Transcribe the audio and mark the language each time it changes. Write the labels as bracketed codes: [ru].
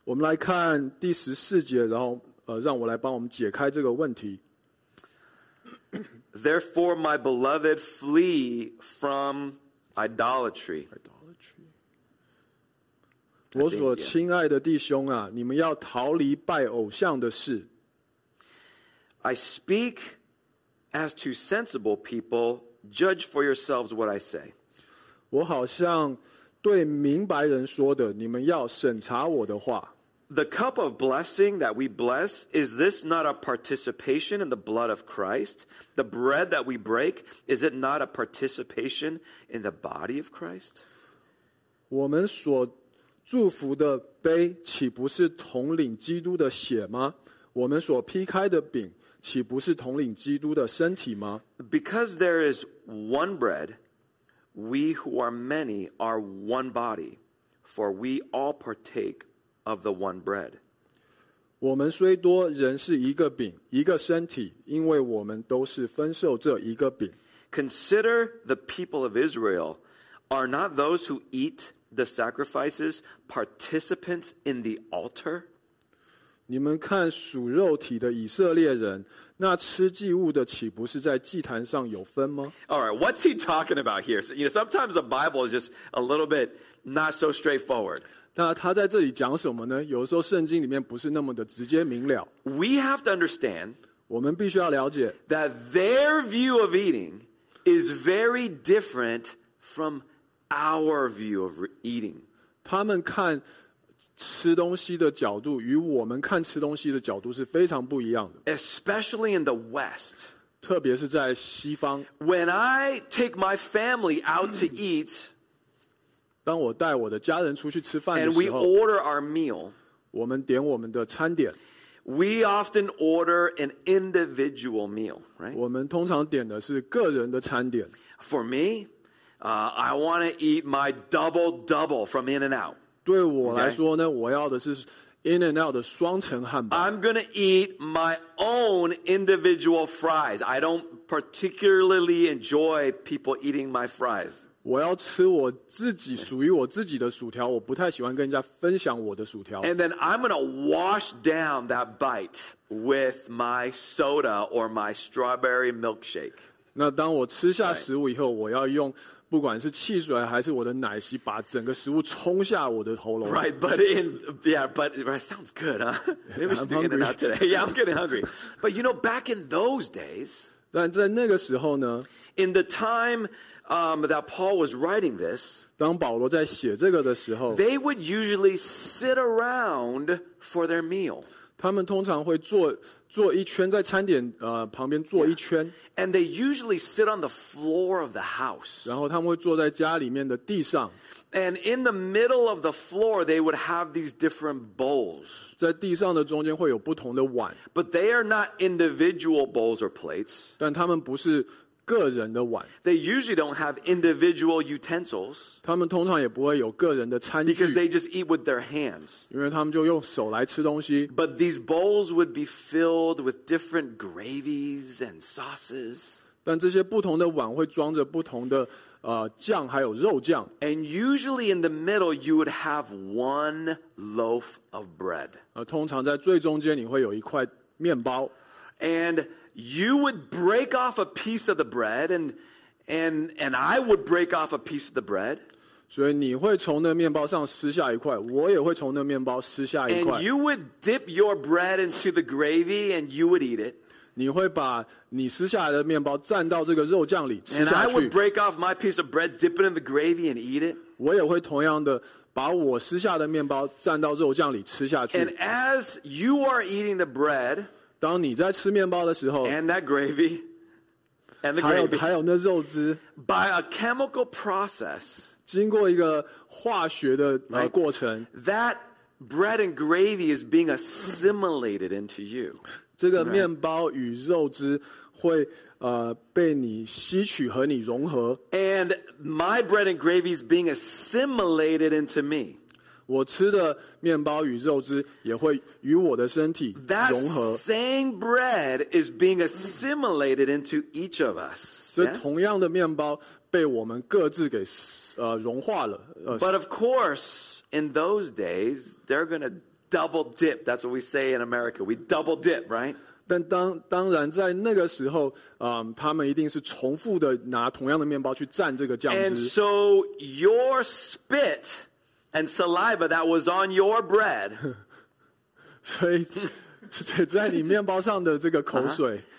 [zh] 我们来看第十四节，然后让我来帮我们解开这个问题。 [en] Therefore, my beloved, flee from... Idolatry. [zh] 我所亲爱的弟兄啊，你们要逃离拜偶像的事。 [en] I speak as to sensible people. Judge for yourselves what I say. [zh] 我好像对明白人说的，你们要审查我的话。 [en] The cup of blessing that we bless, is this not a participation in the blood of Christ? The bread that we break, is it not a participation in the body of Christ? [zh] 我们所祝福的杯岂不是统领基督的血吗？我们所劈开的饼岂不是统领基督的身体吗？ [en] Because there is one bread, we who are many are one body, for we all partake of the one bread. [zh] 我们虽多，仍是一个饼，一个身体，因为我们都是分受这一个饼。 [en] Consider the people of Israel. Are not those who eat the sacrifices participants in the altar? [zh] 你们看属肉体的以色列人，那吃祭物的岂不是在祭坛上有分吗？ [en] All right, what's he talking about here? So, you know, sometimes the Bible is just a little bit not so straightforward. [zh] 那他在这里讲什么呢？有时候圣经里面不是那么的直接明了。 [en] We have to understand, [zh] 我们必须要了解 [en] that their view of eating is very different from our view of eating. [zh] 他们看吃东西的角度与我们看吃东西的角度是非常不一样的。 [en] Especially in the West. [zh] 特别是在西方。 [en] When I take my family out to eat, [zh] 当我带我的家人出去吃饭的时候, [en] and we order our meal, [zh] 我们点我们的餐点。 [en] We often order an individual meal, right? [zh] 我们通常点的是个人的餐点。 [en] For me, I want to eat my double from In-N-Out. [zh] 对我来说呢，我要的是 In-N-Out 的双层汉堡。 [en] I'm going to eat my own individual fries. I don't particularly enjoy people eating my fries. [zh] 我要吃我自己属于我自己的薯条，我不太喜欢跟人家分享我的薯条。 [en] And then I'm going to wash down that bite with my soda or my strawberry milkshake. [zh] 那当我吃下食物以后，我要用不管是汽水还是我的奶昔，把整个食物冲下我的喉咙。 [en] Right, but in yeah, but right, sounds good, huh? Maybe we should do in and out today. Yeah, I'm getting hungry. But you know, back in those days, [zh] 但在那个时候呢 [en] ，in the time that Paul was writing this, [zh] 当保罗在写这个的时候 [en] ，they would usually sit around for their meal. [zh] 他们通常会坐一圈在餐点旁边坐一圈 [en] and they usually sit on the floor of the house. [zh] 然后他们会坐在家里面的地上 [en] and in the middle of the floor they would have these different bowls. [zh] 在地上的中间会有不同的碗 [en] but they are not individual bowls or plates. [zh] 但他们不是个人的碗 [en] they usually don't have individual utensils. [zh] 他们通常也不会有个人的餐具 [en] because they just eat with their hands. [zh] 因为他们就用手来吃东西 [en] but these bowls would be filled with different gravies and sauces. [zh] 但这些不同的碗会装着不同的酱还有肉酱 [en] and usually in the middle you would have one loaf of bread. [zh] 通常在最中间你会有一块面包 [en] andYou would break off a piece of the bread, and I would break off a piece of the bread. [zh] 所以你会从那面包上撕下一块，我也会从那面包撕下一块。 [en] And you would dip your bread into the gravy, and you would eat it. [zh] 你会把你撕下来的面包蘸到这个肉酱里吃下去。 [en] And I would break off my piece of bread, dip it in the gravy, and eat it. [zh] 我也会同样的把我撕下的面包蘸到肉酱里吃下去。 [en] And as you are eating the bread. [zh] 当你在吃面包的时候 [en] and that gravy, and the gravy, [zh] 还有那肉汁 [en] by a chemical process, [zh] 经过一个化学的 right, 过程 [en] that bread and gravy is being assimilated into you. [zh] 这个面包与肉汁会被你吸取和你融合 [en] and my bread and gravy is being assimilated into me. [zh] 我吃的面包与肉汁也会与我的身体融合。 [en] That same bread is being assimilated into each of us. [zh] 所以同样的面包被我们各自给融化了。 [en] But of course, in those days, they're going to double dip. That's what we say in America. We double dip, right? [zh] 但当然在那个时候他们一定是重复的拿同样的面包去蘸这个酱汁。 [en] And so your spit... And saliva that was on your bread. [zh] 所以在你面包上的这个口水